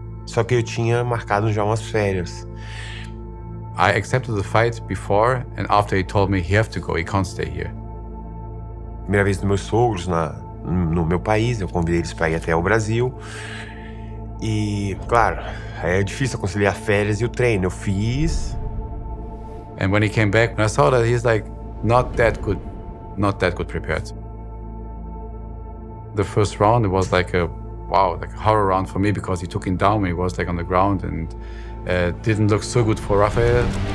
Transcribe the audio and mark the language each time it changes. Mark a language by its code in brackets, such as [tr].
[pt] Só que eu tinha marcado já umas férias. [en] I accepted the fight before and after he told me he have to go, he can't stay here. [pt] Primeira vez dos meus sogros no meu país, eu convidei eles pra ir até o Brasil. E, claro, é difícil conciliar férias e o treino. Eu fiz. [en] And when he came back, when I saw that, he's like, not that good prepared. The first round, it was like a wow, like a horror round for me because he took him down when he was like on the ground and didn't look so good for Rafael.